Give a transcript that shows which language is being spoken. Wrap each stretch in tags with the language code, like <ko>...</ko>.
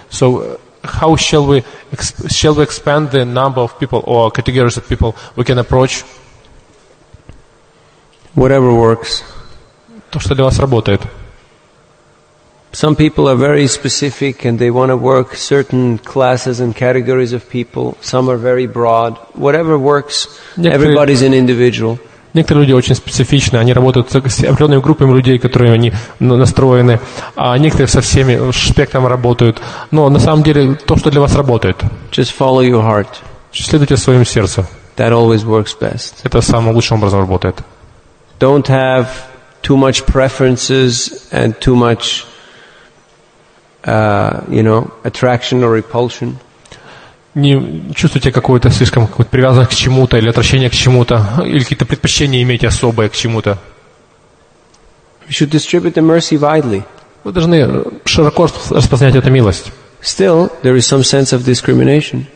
<en>So how shall we expand the number of people or categories of people we can approach? Whatever works.</en> <ru>То, что для вас работает.</ru> <en>Some people are very specific and they want to work certain classes and categories of people. Some are very broad. Whatever works, everybody's an individual.</en> <ru>Некоторые люди очень специфичны, они работают с определенными группами людей, которые они настроены, а некоторые со всеми спектром работают. Но на самом деле то, что для вас работает.</ru> <en>Just follow your heart.</en> <ru>Следуйте своему сердцу.</ru> <en>That always works best.</en> <ru>Это самым лучшим образом работает.</ru> <en>Don't have too much preferences and too much attraction or repulsion.</en> <ru>Не чувствуйте какое-то слишком какое-то привязанность к чему-то или отвращение к чему-то или какие-то предпочтения иметь особое к чему-то.</ru> <en>We should distribute the mercy widely.</en> <ru>Вы должны широко распространять эту милость.</ru> <en>Still, there is some sense of discrimination.</en>